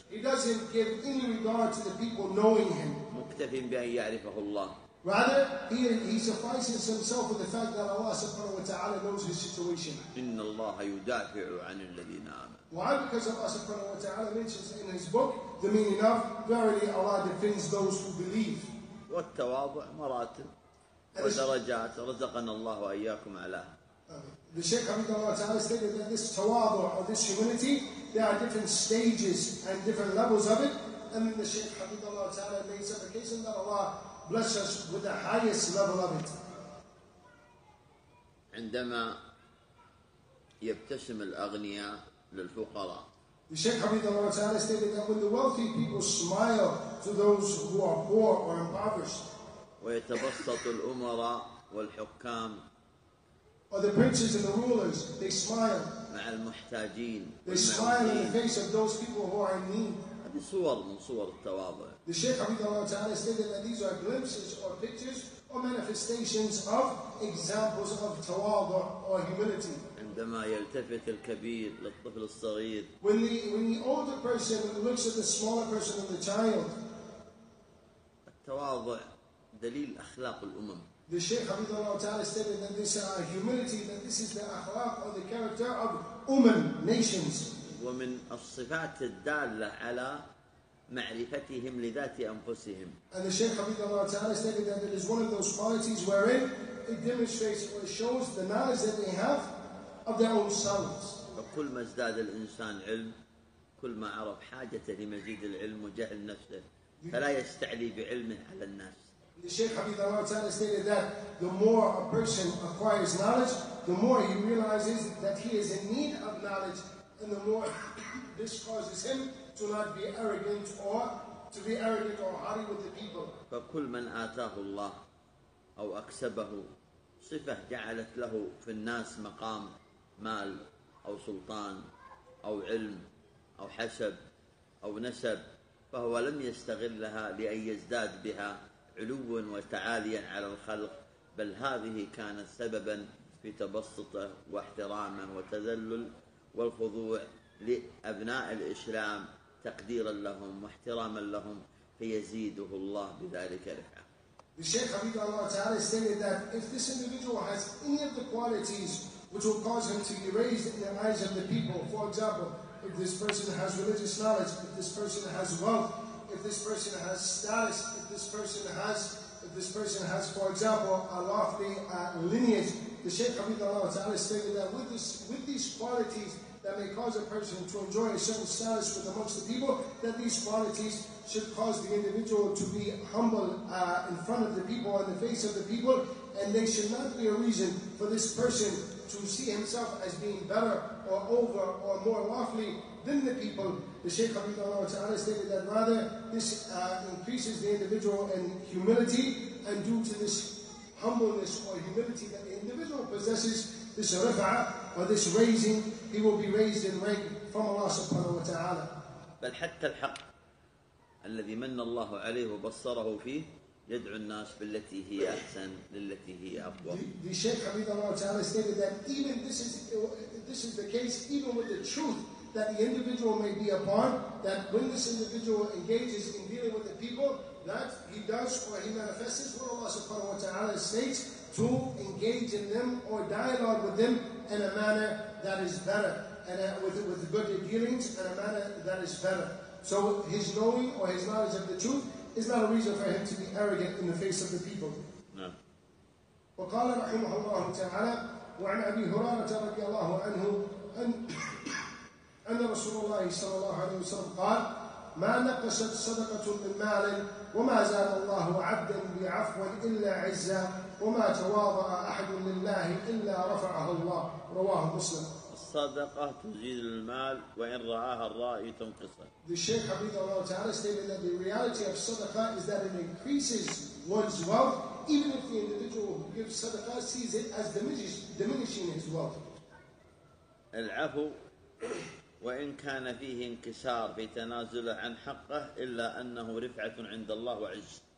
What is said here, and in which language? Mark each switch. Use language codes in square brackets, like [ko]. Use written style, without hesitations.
[en] He doesn't give any regard to the people knowing him. [ar] مكتفي بأن يعرفه الله. [en] Rather, he suffices himself with the fact that Allah subhanahu wa ta'ala knows his situation. [ar] إن الله يدافع عن الذين آمنوا. [en] Why? Because Allah subhanahu wa ta'ala mentions in his book the meaning of verily Allah defends those who believe. [ar] والتواضع مراتب. ودرجات رزقنا الله وإياكم علاه. [en] The Shaykh Hamidullah Ta'ala stated that this tawadu or this humility, there are different stages and different levels of it. And then the Shaykh Hamidullah Ta'ala made supplication that Allah bless us with the highest level of it. [ar] عندما يبتسم الأغنياء للفقراء. [en] The Shaykh Hamidullah Ta'ala stated that when the wealthy people smile to those who are poor or impoverished, [ar] ويتبسط الأمراء والحكام. [en] Or the princes and the rulers, they smile. [ar] مع المحتاجين. [en] They smile in the face of those people who are in need. [ar] هذه صور من صور التواضع. [en] The Shaykh Abdullah Ta'ala stated that these are glimpses or pictures or manifestations of examples of تواضع or humility. [ar] عندما يلتفت الكبير للطفل الصغير. [en] When the older person looks at the smaller person and the child. [ar] التواضع. دليل أخلاق الأمم. [en] The Shaykh Hafidhullah Ta'ala stated that this humility, that this is the أخلاق or the character of أمم, nations. [ar] ومن الصفات الدالة على معرفتهم لذات أنفسهم. [en] And the Shaykh Hafidhullah Ta'ala stated that it is one of those qualities wherein it demonstrates or shows the knowledge that they have of their own selves. [ar] وكل ما ازداد الإنسان علم كل ما عرف حاجته لمزيد العلم وجهل نفسه فلا يستعلي بعلمه على الناس. [en] The Shaykh Hafidhullah Ta'ala stated that the more a person acquires knowledge, the more he realizes that he is in need of knowledge, and the more this causes him to not be arrogant or to be arrogant or haughty with the people. [ar] فكل من آتاه الله أو أكسبه صفة جعلت له في الناس مقام مال أو سلطان أو علم أو حسب أو نسب فهو لم يستغلها لأن يزداد بها علوا وتعاليا على الخلق بل هذه كانت سببا في تبسطه واحتراما وتذلل والخضوع لأبناء الإسلام تقديرا لهم واحتراما لهم فيزيده الله بذلك رفعة. [en] The Shaykh Hafidhullah Ta'ala stated that if this individual has any of the qualities which will cause him to be raised in the eyes of the people, for example, if this person has religious knowledge, if this person has wealth, if this person has status, if this person has, for example, a lofty lineage, the Shaykh Hafidhullah Ta'ala stated that with these qualities that may cause a person to enjoy a certain status with amongst the people, that these qualities should cause the individual to be humble in front of the people, in the face of the people, and they should not be a reason for this person to see himself as being better or over or more lofty than the people. The Shaykh Hafidhullah Ta'ala stated that rather this increases the individual in humility, and due to this humbleness or humility that the individual possesses, this rif'ah or this raising, he will be raised in rank from Allah subhanahu wa ta'ala. [ar] بل حتى الحق الذي من الله عليه وبصره فيه يدعو الناس بالتي هي أحسن للتي هي أقوى. [en] The Shaykh Hafidhullah Ta'ala stated that even this is the case even with the truth that the individual may be upon, that when this individual engages in dealing with the people, that he does or he manifests what Allah subhanahu wa ta'ala states, to engage in them or dialogue with them in a manner that is better, and with good dealings in a manner that is better. So his knowing or his knowledge of the truth is not a reason for him to be arrogant in the face of the people. No. [ar] وقال رحمه الله تعالى وعن أبي هريرة رضي الله عنه أن أن رسول الله صلى الله عليه وسلم قال ما نقصت صدقة من مال وما زال الله عبدا بعفو إلا عزا وما تواضع أحد لله إلا رفعه الله رواه مسلم. الصدقة تزيد المال وإن رآها الرائي تنقصه. [en] The Shaykh Hafidhullah Ta'ala stated that the reality of صدقة is that it increases one's wealth even if the individual who gives صدقة sees it as diminishing his wealth. [ar] العفو وإن كان فيه انكسار في تنازله عن حقه إلا أنه رفعة عند الله وعز.